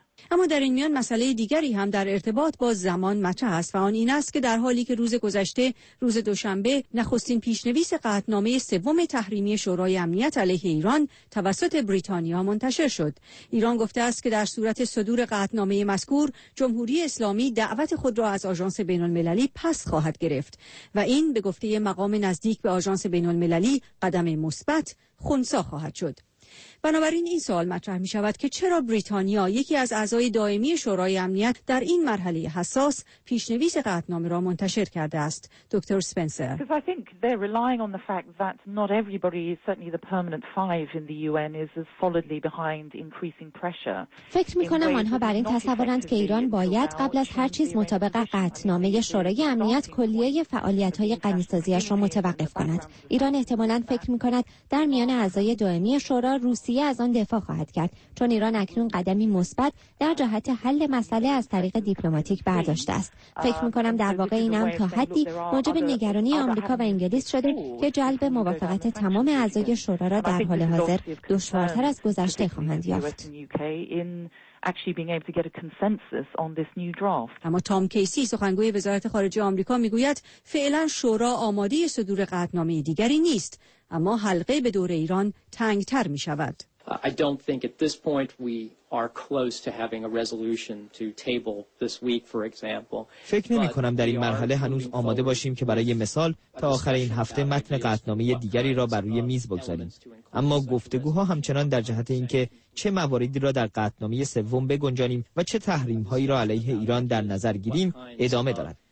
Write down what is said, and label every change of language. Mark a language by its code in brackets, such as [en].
[fa] اما در این میان مسئله دیگری هم در ارتباط با زمان مطرح است و آن این است که در حالی که روز گذشته روز دوشنبه نخستین پیشنویس قطعنامه سوم تحریمی شورای امنیت علیه ایران توسط بریتانیا منتشر شد، ایران گفته است که در صورت صدور قطعنامه مذکور جمهوری اسلامی دعوت خود را از آژانس بین المللی پس خواهد گرفت و این به گفته مقام نزدیک به آژانس بین المللی قدم مثبت خونسا خواهد شد. بنابراین این سوال مطرح می شود که چرا بریتانیا، یکی از اعضای دائمی شورای امنیت، در این مرحله حساس پیشنویس قطعنامه را منتشر کرده است. دکتر سپنسر: [en] Because I think they're relying on the fact that not everybody, certainly the permanent five in the UN, is as solidly behind increasing pressure. [fa] فکر می کنم آنها بر این تصورند که ایران باید قبل از هر چیز مطابق قطعنامه شورای امنیت کلیه فعالیت‌های غنی‌سازی‌اش را متوقف کند. ایران احتمالاً فکر می کند در میان اعضای دائمی شورا روسیه از آن دفاع خواهد کرد، چون ایران اکنون قدمی مثبت در جهت حل مسئله از طریق دیپلماتیک برداشته است. فکر می‌کنم در واقع این هم تا حدی موجب نگرانی آمریکا و انگلیس شده که جلب موافقت تمام اعضای شورا را در حال حاضر دشوارتر از گذشته خواهند یافت. [en] actually being able to get a consensus on this new draft. [fa] اما تام کیسی سخنگوی وزارت خارجه آمریکا میگوید فعلا شورا آماده صدور قطعنامه دیگری نیست، اما حلقه به دور ایران تنگ تر می شود. [en] I don't think at this point we are close to having a resolution to table this week, for example. [fa] فکر نمی کنم در این مرحله هنوز آماده باشیم که برای مثال تا آخر این هفته متن قطعنامه دیگری را بر روی میز بگذاریم. اما گفتگوها همچنان در جهت اینکه چه مواردی را در قطعنامه سوم بگنجانیم و چه تحریم هایی را علیه ایران در نظر گیریم ادامه دارد.